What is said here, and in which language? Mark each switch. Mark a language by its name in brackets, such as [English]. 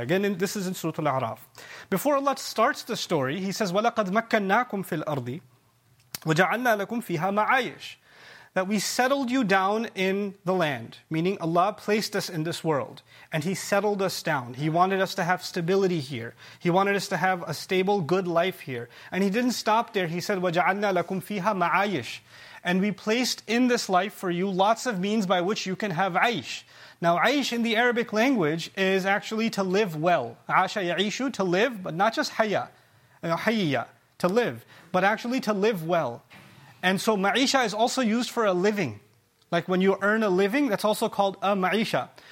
[English] Again, this is in Surah Al-A'raf. Before Allah starts the story, He says, [Arabic] وَلَقَدْ مَكَّنَّاكُمْ فِي الْأَرْضِ وَجَعَلْنَا لَكُمْ فِيهَا مَعَايِشْ. [English] That we settled you down in the land, meaning Allah placed us in this world, and He settled us down. He wanted us to have stability here. He wanted us to have a stable, good life here. And He didn't stop there. He said, [Arabic] وَجَعَلْنَا لَكُمْ فِيهَا مَعَايِشْ. [English] And we placed in this life for you lots of means by which you can have عَيْش. Now, عَيْش in the Arabic language is actually to live well. [Arabic] عَاشَ يَعِيشُ, [English] to live, but not just حَيَّ, حَيَّ, to live, but actually to live well. And so ma'isha is also used for a living. Like when you earn a living, that's also called a ma'isha.